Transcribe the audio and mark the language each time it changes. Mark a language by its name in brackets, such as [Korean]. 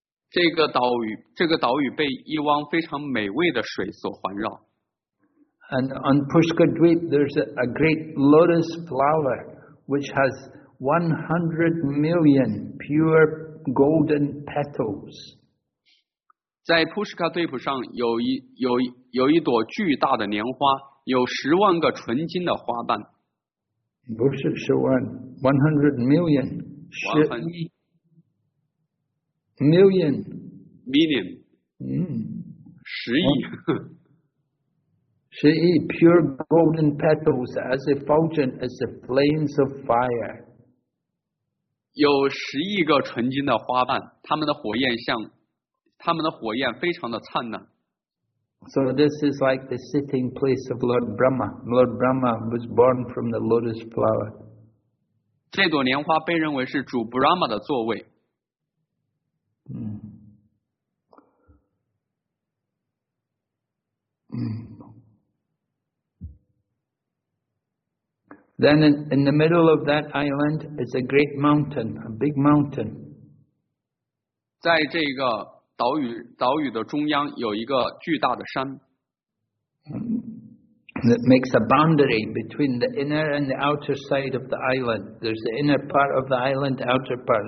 [Chinese] 这个岛屿被一汪非常美味的水所环绕。 [English] And on Pushkara Dweep, there's a great lotus flower which has 100 million pure. Golden petals. [Chinese] 在 Pushkara Dweep 上有一朵巨大的莲花，有十万个纯金的花瓣。不是十万 ， [English] 100 million， [Chinese] 十亿 [English] million， [Chinese] 十亿，十亿 [English] pure golden petals as effulgent as the flames of fire. [Chinese] 有十亿个纯金的花瓣，它们的火焰非常的灿烂。 [English] So this is like the sitting place of Lord Brahma. Lord Brahma was born from the lotus flower. [Chinese] 这朵莲花被认为是主 Brahma 的座位。 [English] Then in the middle of that island is a great mountain, a big mountain. [Chinese] 在这个岛屿的中央有一个巨大的山。 [English] That makes a boundary between the inner and the outer side of the island. There's the inner part of the island, the outer part.